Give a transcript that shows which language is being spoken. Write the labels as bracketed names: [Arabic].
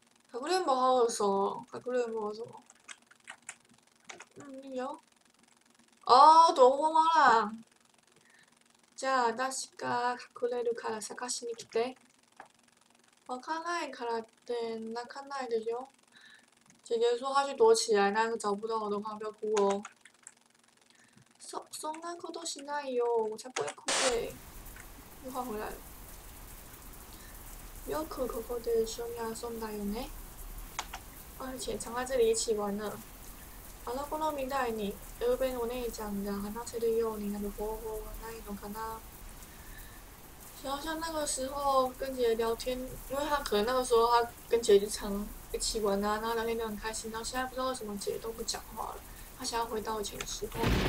[Chinese] かくれんぼ好耳熟，かくれんぼ好耳熟。嗯，有。哦，躲猫猫啦。 [Japanese] じゃあ、私が隠れるから探しに来て。わかんないからって、泣かないでしょ。 [Chinese] 姐姐说她去躲起来，那个找不到我的话，不要哭哦。 [Japanese] そんなことしないよ。 [Chinese] 我才不会哭嘞。又换回来了。 [Japanese] よくここで一緒に遊んだよね。 [Chinese] 而且常在这里一起玩呢。 [Japanese] あの子の未来に、ゆうべのお姉ちゃんが話せるようになる方法はないのかな？ [Chinese] 想像那个时候跟姐姐聊天，因为她可能那个时候她跟姐姐就常一起玩啊，然后聊天都很开心。然后现在不知道为什么姐姐都不讲话了，她想要回到以前的时候。